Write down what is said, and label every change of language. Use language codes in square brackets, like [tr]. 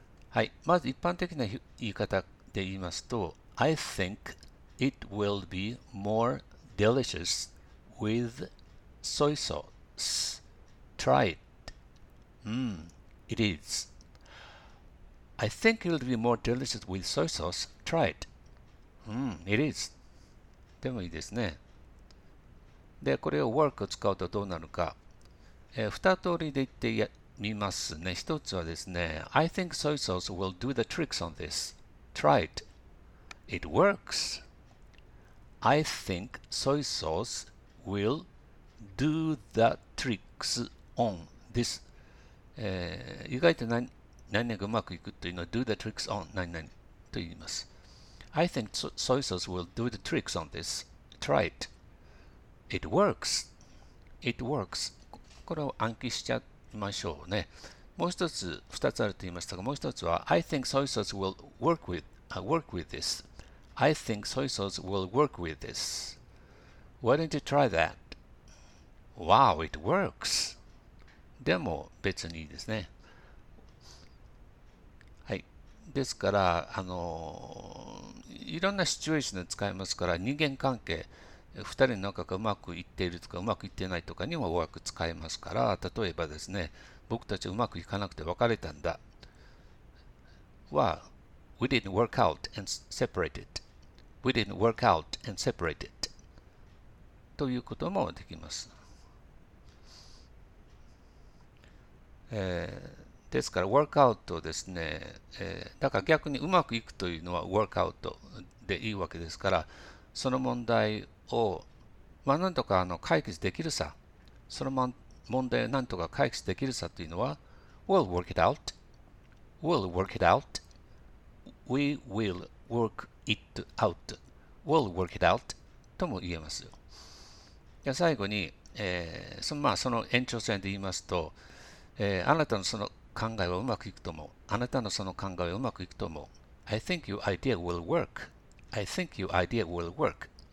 [ja] はい、まず一般的な言い方で言いますと、 [en] I think it will be more delicious with soy sauce. Try it. It is. I think it will be more delicious with soy sauce. Try it. It is. [ja] でもいいですね。で、これを work を使うとどうなるか。2通りで言ってみますね。 [en] 1つはですね、I think soy sauce will do the tricks on this. Try it. It works. I think soy sauce will do the tricks on this. [ja] 意外と何々がうまくいくというのは [en] do the tricks on [ja] 何々と言います。 [en] I think soy sauce will do the tricks on this. Try it. It works. It works. [ja] これを暗記しちゃいましょうね。もう一つ、二つあると言いましたが、もう一つは [en] I think soy sauce will work with this. I think soy sauce will work with this. Why don't you try that? Wow, it works! [ja] でも別にいいですね。ですから、いろんなシチュエーションで使えますから、人間関係、2人の仲がうまくいっているとか、うまくいってないとかにも work 使えますから、例えばですね、僕たちうまくいかなくて別れたんだ。 [en] は、We didn't work out and separated. We didn't work out and separated. [ja] ということもできます。ですから、ワークアウトですね。だから逆にうまくいくというのはワークアウトでいいわけですから、その問題を、まあ、なんとか解決できるさ。その問題をなんとか解決できるさというのは、 [en] We'll work it out. We'll work it out. We will work it out. We'll work it out. [ja] とも言えますよ。じゃあ最後に、その延長線で言いますと、あなたのその考えはうまくいくと思う。あなたのその考えはうまくいくと思う。 [en] I think your idea will work. I think your idea will work.